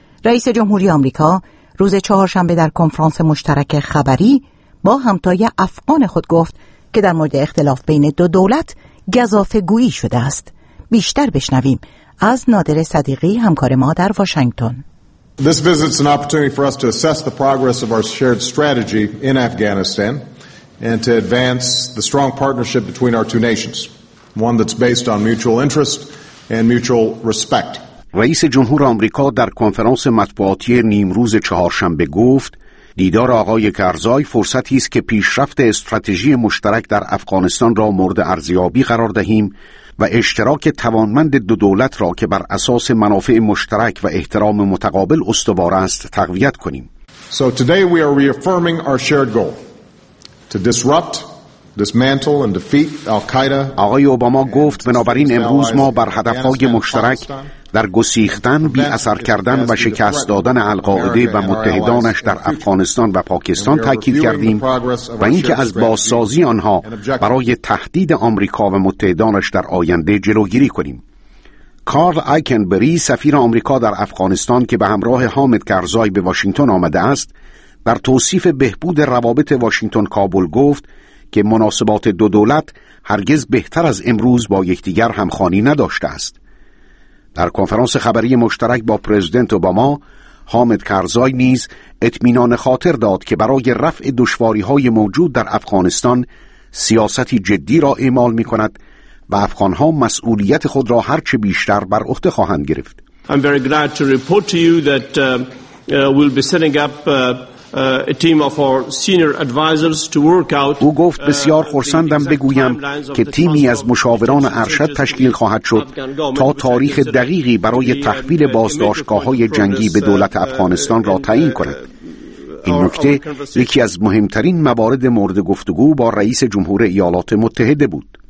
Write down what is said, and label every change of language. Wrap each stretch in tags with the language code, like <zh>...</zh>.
<fa>رئیس جمهوری آمریکا روز چهارشنبه در کنفرانس مشترک خبری با همتای افغان خود گفت که در مورد اختلاف بین دو دولت گزافه‌گویی شده است. بیشتر بشنویم از نادر صدیقی، همکار ما در واشنگتن.</fa> <en>This visit is an opportunity for us to assess the progress of our shared strategy in Afghanistan and to advance the strong partnership between our two nations, one that's based on mutual interest and mutual respect.</en> <fa>رئیس جمهور آمریکا در کنفرانس مطبوعاتی نیمروز چهارشنبه گفت دیدار آقای کرزای فرصتی است که پیشرفت استراتژی مشترک در افغانستان را مورد ارزیابی قرار دهیم و اشتراک توانمند دو دولت را که بر اساس منافع مشترک و احترام متقابل استوار است تقویت کنیم.</fa> <en>So today we are reaffirming our shared goal to disrupt, dismantle and defeat Al-Qaeda.</en> <fa>آقای اوباما گفت بنابراین امروز ما بر هدف‌های مشترک در گسیختن، بی اثر کردن و شکست دادن القاعده و متحدانش در افغانستان و پاکستان تاکید کردیم و اینکه از بازسازی آنها برای تهدید آمریکا و متحدانش در آینده جلوگیری کنیم. کارل آیکنبری، سفیر آمریکا در افغانستان که به همراه حامد کرزای به واشنگتن آمده است، در توصیف بهبود روابط واشنگتن کابل گفت که مناسبات دو دولت هرگز بهتر از امروز با یکدیگر همخوانی نداشته است. در کنفرانس خبری مشترک با پرزیدنت اوباما، حامد کرزای نیز اطمینان خاطر داد که برای رفع دشواری‌های موجود در افغانستان سیاستی جدی را اعمال می‌کند و افغان‌ها مسئولیت خود را هرچه بیشتر بر عهده خواهند گرفت.</fa> <en>I'm very glad to report to you that we'll be setting up a team of our senior advisors to work out.</en> <fa>او گفت بسیار خرسندم بگویم که تیمی از مشاوران ارشد تشکیل خواهد شد تا تاریخ دقیقی برای تحویل بازداشتگاه‌های جنگی به دولت افغانستان را تعیین کند. این نکته یکی از مهمترین موارد مورد گفتگو با رئیس جمهور ایالات متحده بود.</fa>